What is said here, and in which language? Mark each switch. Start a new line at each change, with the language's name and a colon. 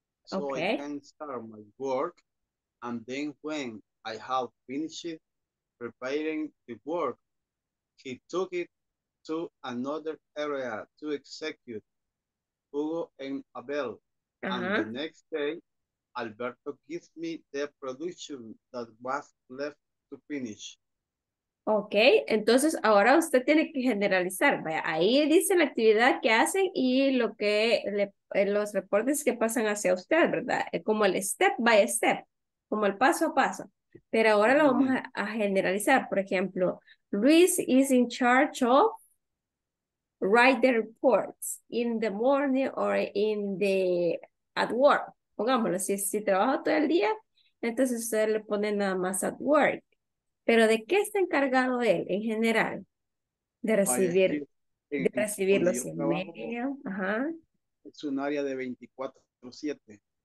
English: So okay. I can start my work, and then when I have finished preparing the work, he took it to another area to execute, Hugo and Abel. Uh-huh. And the next day, Alberto gives me the production that was left to finish.
Spanish: Ok, entonces ahora usted tiene que generalizar. Vaya, ahí dice la actividad que hacen y lo que le, los reportes que pasan hacia usted, ¿verdad? Como el
English: step by step,
Spanish: como el paso a paso. Pero ahora lo vamos a generalizar. Por ejemplo,
English: Luis is in charge of write the reports in the morning or in the at work.
Spanish: Pongámoslo, si trabaja todo el día, entonces usted le pone nada más
English: at work.
Spanish: ¿Pero de qué está encargado él, en general? De recibir, los emails. Ajá. Es un área de 24/7.